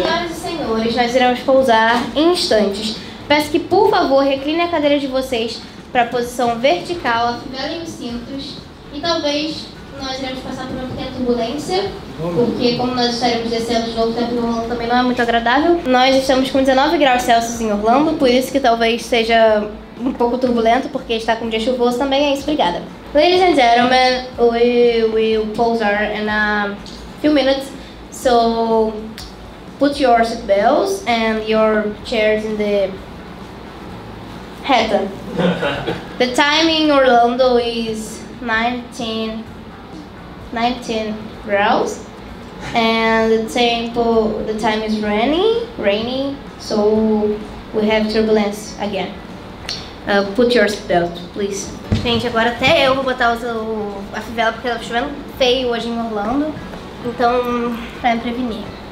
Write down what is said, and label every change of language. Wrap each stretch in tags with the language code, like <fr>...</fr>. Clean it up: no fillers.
<pt>Senhoras e senhores, nós iremos pousar em instantes. Peço que, por favor, recline a cadeira de vocês pra posição vertical, afivelem os cintos. E talvez nós iremos passar por uma pequena turbulência. Porque como nós estaremos descendo de novo, o tempo no Orlando também não é muito agradável. Nós estamos com 19 graus Celsius em Orlando, por isso que talvez seja um pouco turbulento, porque está com um dia chuvoso também, é isso, obrigada.</pt> <en>Ladies and gentlemen, we will pause in a few minutes, so put your seat belts and your chairs in the head. The time in Orlando is 19 graus. And the time is rainy, so we have turbulence again. Put your seatbelt, please.</en> <pt>Gente, agora até eu vou botar a fivela, porque tá chovendo feio hoje em Orlando. Então, pra me prevenir.</pt>